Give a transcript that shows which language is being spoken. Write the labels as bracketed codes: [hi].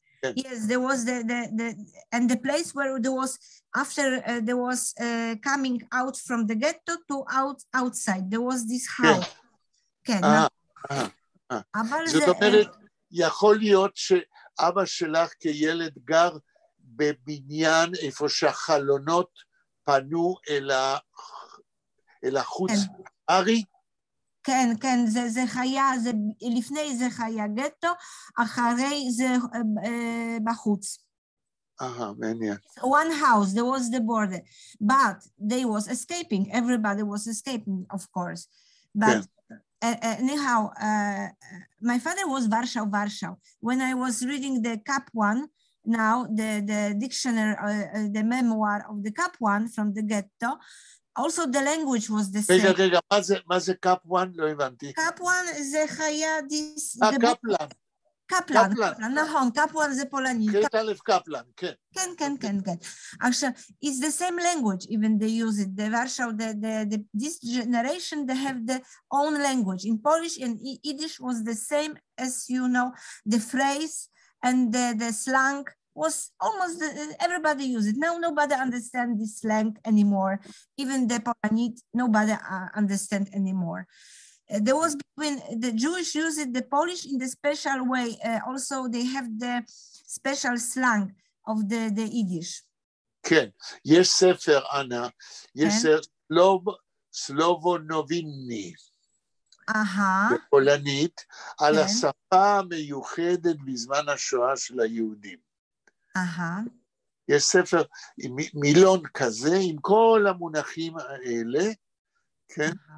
[en] there was the and the place where there was after there was coming out from the ghetto to outside there was this house. [he] כן. זאת אומרת, יכול להיות שאבא שלך כילד גר בבניין איפה שהחלונות פנו אל החוץ ארי? כן, כן, זה חיה, לפני זה חיה גטו, אחרי זה בחוץ. אהה, מעניין. [en] One house, there was the border, but they was escaping, everybody was escaping, of course. But anyhow, my father was Warsaw. When I was reading the Kapłan, now the dictionary, the memoir of the Kapłan from the ghetto, also the language was the same. [he] רגע, מה זה Kapłan? לא הבנתי. Kapłan זה חיה דיס... Kapłan. Kapłan, נכון, Kapłan זה פולני. קראת אלף Kapłan, כן. כן. [en] עכשיו, it's the same language, even they use it. The Warsaw, this generation, they have their own language. In Polish and Yiddish was the same as, you know, the phrase and the slang was almost, everybody use it. Now nobody understand this slang anymore. Even the Polani, nobody understand anymore. There was between the Jewish use it, the Polish in the special way. Also, they have the special slang of the Yiddish. [he] כן, יש ספר, אנה, יש ספר, סלובו נוביני, בפולנית, על השפה המיוחדת בזמן השואה של היהודים. יש ספר, מילון כזה, עם כל המונחים האלה, כן?